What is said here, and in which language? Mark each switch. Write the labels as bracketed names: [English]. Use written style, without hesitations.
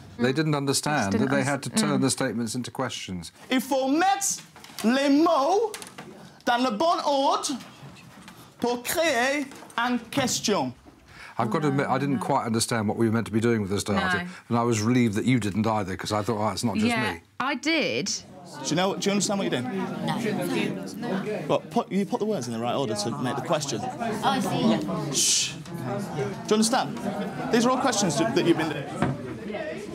[English] They didn't understand that they had to turn the statements into questions. [French] Il faut mettre les mots dans le bon ordre pour créer une question. [English] I've got to admit, I didn't quite understand what we were meant to be doing with this data. No. And I was relieved that you didn't either, because I thought, oh, it's not just me. Yeah, I did. Do you understand what you're doing? No. Well, you put the words in the right order to make the question. Oh, I see. Yeah. Shh. Do you understand? These are all questions that you've been...